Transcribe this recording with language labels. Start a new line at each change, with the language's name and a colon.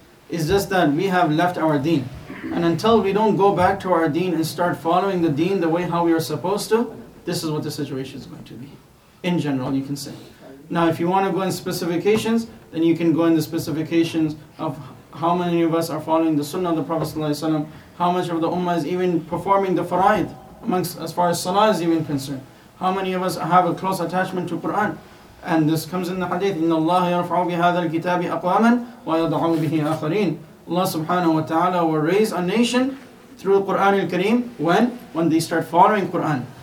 English: It's just that we have left our deen. And until we don't go back to our deen and start following the deen the way how we are supposed to, this is what the situation is going to be. In general, you can say. Now, if you want to go in specifications, then you can go in the specifications of how many of us are following the Sunnah of the Prophet ﷺ, how much of the Ummah is even performing the fara'id, amongst, as far as Salah is even concerned. How many of us have a close attachment to Qur'an? And this comes in the Hadith,
Arabic: إِنَّ اللَّهَ يَرْفَعُ بِهَذَا الْكِتَابِ أَقْوَامًا وَيَضَعُ بِهِ آخَرِينَ.
English: Allah subhanahu wa ta'ala will raise a nation through Qur'an al-Kareem when they start following Qur'an.